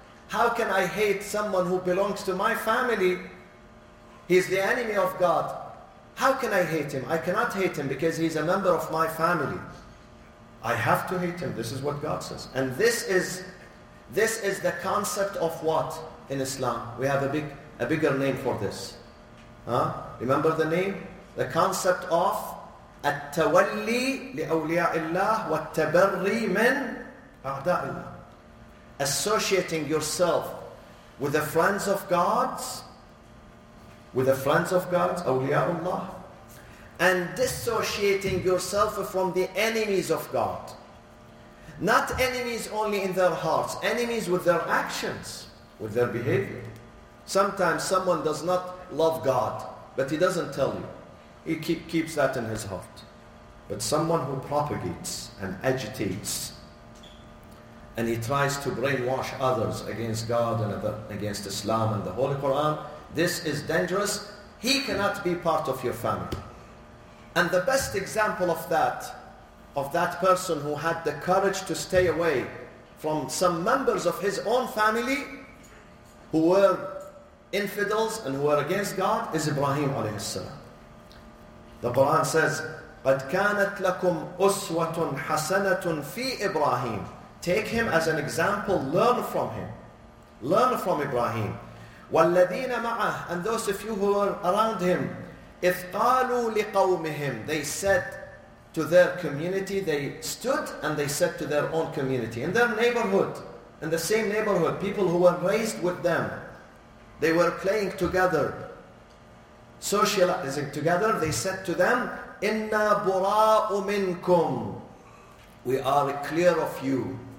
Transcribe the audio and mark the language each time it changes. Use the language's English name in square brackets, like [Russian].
[English] How can I hate someone who belongs to my family? He's the enemy of God. How can I hate him? I cannot hate him because he's a member of my family. I have to hate him. This is what God says. And this is the concept of what in Islam? We have a bigger name for this. Huh? Remember the name? The concept of [Arabic] التولي لأولياء الله والتبري من أعداء الله. [English] associating yourself with the friends of God's, with the friends of God's, awliyaullah, and dissociating yourself from the enemies of God. Not enemies only in their hearts, enemies with their actions, with their behavior. Sometimes someone does not love God, but he doesn't tell you. He keeps that in his heart. But someone who propagates and agitates, and he tries to brainwash others against God and against Islam and the Holy Quran, this is dangerous. He cannot be part of your family. And the best example of that person who had the courage to stay away from some members of his own family who were infidels and who were against God, is Ibrahim alayhi salam. The Quran says, [Arabic] قَدْ كَانَتْ لَكُمْ أُسْوَةٌ حَسَنَةٌ فِي إِبْرَاهِيمٍ. [English] Take him as an example, learn from him. Learn from Ibrahim. [Arabic] وَالَّذِينَ مَعَهُ, [English] and those of you who are around him, [Arabic] إِذْ قَالُوا لِقَوْمِهِمْ, [English] they said to their community, they stood and they said to their own community, in their neighborhood, in the same neighborhood, people who were raised with them, they were playing together, socializing together, they said to them, [Arabic] إِنَّا بُرَاءُ مِنْكُمْ, [English] we are clear of you.